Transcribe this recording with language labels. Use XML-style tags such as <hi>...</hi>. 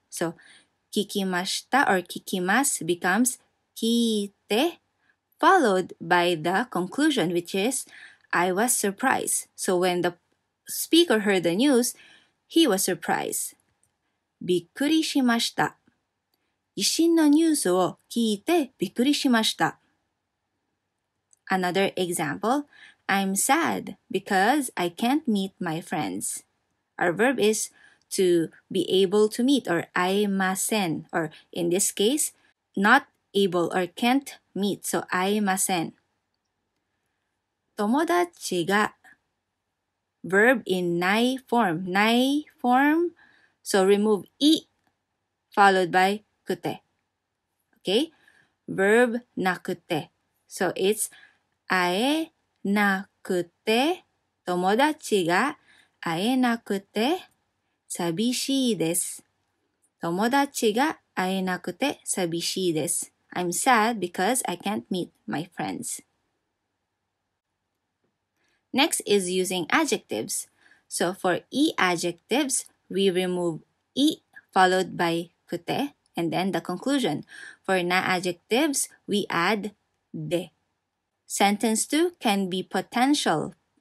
<en>So, 聞きました or 聞きます becomes 聞いて followed by the conclusion, which is, I was surprised. So, when the speaker heard the news, he was surprised.</en> <ja>びっくりしました。地震のニュースを聞いてびっくりしました。</ja> <en>Another example,I'm sad because I can't meet my friends. Our verb is to be able to meet or 会えません or in this case, not able or can't meet. So 会えません.</en> <ja>友達が</ja> <en>verb in ない form. ない form. So remove い followed by くて.Okay? Verb なくて.So it's 会えなくて.</en> <ja>くて、友達が会えなくて寂しいです。友達が会えなくて寂しいです。</ja> <en>I'm sad because I can't meet my friends. Next is using adjectives. So for i adjectives, we remove i followed by kute and then the conclusion. For na adjectives, we add de. Sentence 2 can be potential.</en>